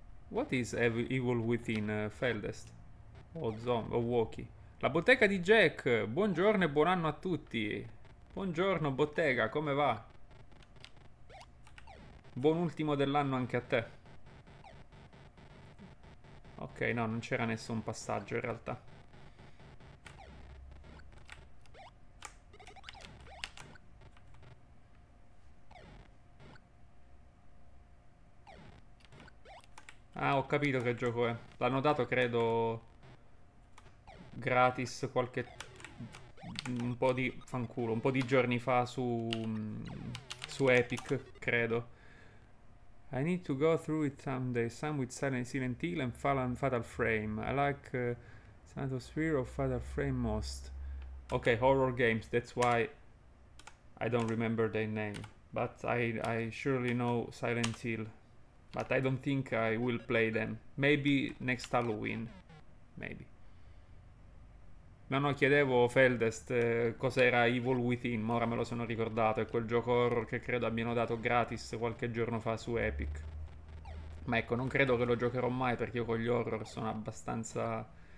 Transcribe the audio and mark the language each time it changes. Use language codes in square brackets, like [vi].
[en] What is Evil Within, Feldest? [it] O Zombie, o Woki? La bottega di Jack! Buongiorno e buon anno a tutti! Buongiorno, bottega, come va? Buon ultimo dell'anno anche a te. Ok, no, non c'era nessun passaggio in realtà. Ah, ho capito che gioco è. L'hanno dato, credo, gratis qualche un po' di fanculo, un po' di giorni fa su Epic, credo. [en] I need to go through it someday, some with Silent Hill and Fatal Frame. I like Silent Sphere or Fatal Frame most. Okay, horror games, that's why I don't remember their name. But I surely know Silent Hill. But I don't think I will play them. Maybe next Halloween. Maybe. [it] No, no, chiedevo Feldest cos'era Evil Within, ma ora me lo sono ricordato, è quel gioco horror che credo abbiano dato gratis qualche giorno fa su Epic. Ma ecco, non credo che lo giocherò mai perché io con gli horror sono abbastanza.